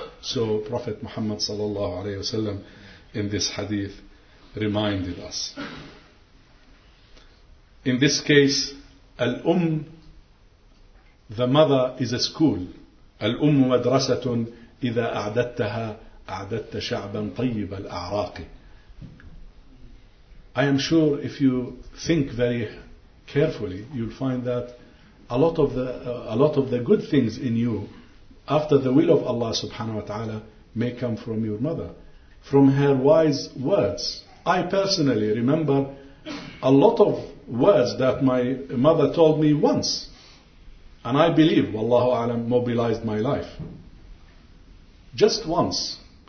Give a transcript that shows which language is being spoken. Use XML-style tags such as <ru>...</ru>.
<en>So Prophet Muhammad sallallahu alayhi wasallam in this hadith reminded us. In this case, al-umm, the mother, is a school.</en> <ar>الأم مدرسة إذا أعددتها أعددت شعبا طيب الأعراق.</ar> <en>I am sure if you think very carefully, you'll find that a lot of the good things in you, after the will of Allah subhanahu wa ta'ala, may come from your mother, from her wise words. I personally remember a lot of words that my mother told me once, and I believe, wallahu alam, mobilized my life. Just once.</en>